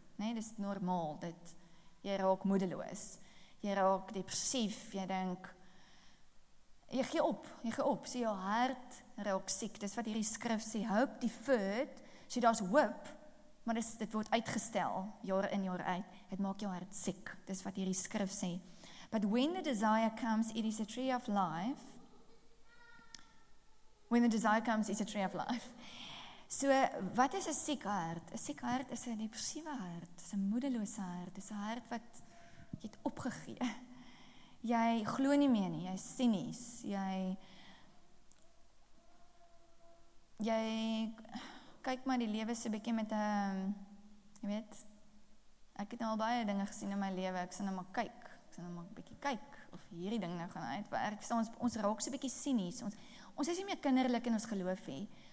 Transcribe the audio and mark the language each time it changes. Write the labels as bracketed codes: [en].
[af] Nee, dit is normaal, dat jy raak moedeloos, jy raak depressief, jy denk, jy gee op, so jou hart raak siek, dit is wat hierdie skrif sê, [en] hope deferred, [af] so daar is hoop, maar dit word uitgestel, jaar in jaar uit, het maak jou hart siek, dit is wat hierdie skrif sê. [en] But when the desire comes, it is a tree of life. When the desire comes, it's a tree of life. [af] So, wat is 'n siek hart? 'N siek hart is 'n depressiewe hart, is 'n moedelose hart, is 'n hart wat jy het opgegee. Jy glo nie meer nie, jy is sinies, jy kyk maar die lewe so 'n bietjie met 'n, jy weet, ek het al baie dinge gesien in my lewe, ek sal nou maar 'n bietjie kyk, of hierdie ding nou gaan uitwerk, so ons raak so 'n bietjie sinies, ons is nie meer kinderlik in ons geloof nie.